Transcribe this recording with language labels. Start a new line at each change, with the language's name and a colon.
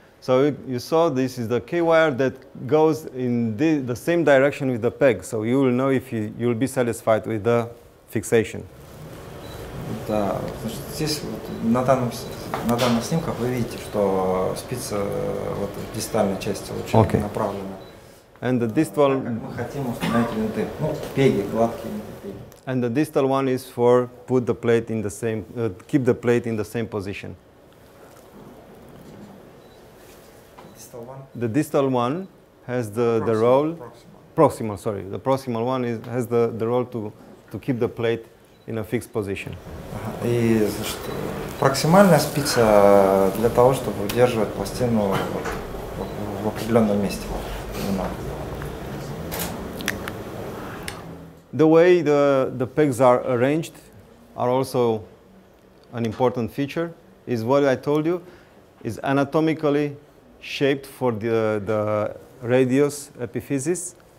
English: So you saw this is the K-wire that goes in the same direction with the peg. So you will know if you will be satisfied with the fixation.
Russian: Да, здесь вот на данных снимках вы видите, что спица вот в дистальной части лучевой
English: okay.
Russian: Направлена.
English: And the distal.
Russian: Мы хотим установить винты, ну пеги, гладкие пеги.
English: And the distal one is for put the plate in the same, keep the plate in the same position. Distal one. The distal one has the role. Proximal, sorry, the proximal one has the role to keep the plate. In a fixed position.
Russian: И значит, проксимальная спица для того, чтобы удерживать пластину в определенном месте.
English: The way the pegs are arranged are also an important feature. Is what I told you is anatomically shaped for the radius epiphysis.